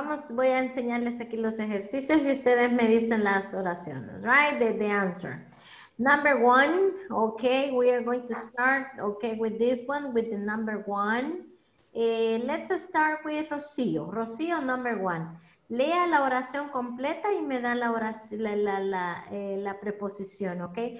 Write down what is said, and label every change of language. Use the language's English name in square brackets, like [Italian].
[Spanish] Voy a enseñarles aquí los ejercicios y ustedes me dicen las oraciones, right? [English] The answer. Number one, okay, we are going to start, okay, with this one, with the number one. Let's start with Rocío. Rocío, number one. [Spanish] Lea la oración completa y me da la oración, la preposición, ¿ok?